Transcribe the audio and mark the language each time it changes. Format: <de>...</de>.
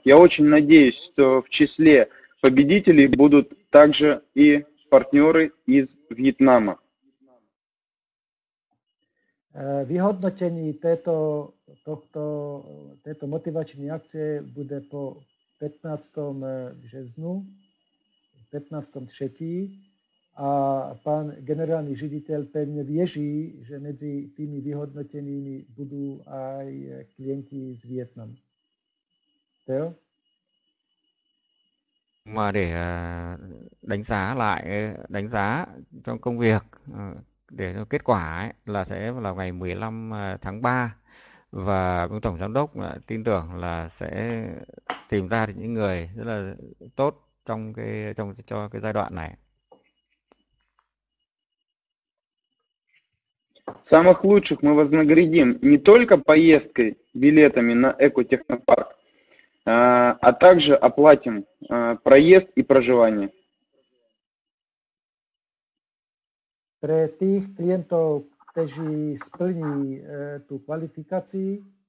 <ru>Я очень надеюсь, что в числе победителей будут также и партнеры из Вьетнама. Выгоднение этой мотивационной акции будет по 15.3.</ru> <cs>A pan generální ředitel pevně věří, že mezi těmi vyhodnotěnými budou i klienti z Vietnamu. Jo?</cs> <vi>Mà để đánh giá lại, đánh giá trong công việc để cho kết quả ấy, là sẽ là ngày 15 tháng 3, và ông tổng giám đốc tin tưởng là sẽ tìm ra những người rất là tốt trong cái trong cho cái giai đoạn này.</vi> <ru>Самых лучших мы вознаградим не только поездкой, билетами на экотехнопарк, а также оплатим проезд и проживание.</ru> <sk>Pre tých klientov, kteří splní tu kvalifikaci,</sk>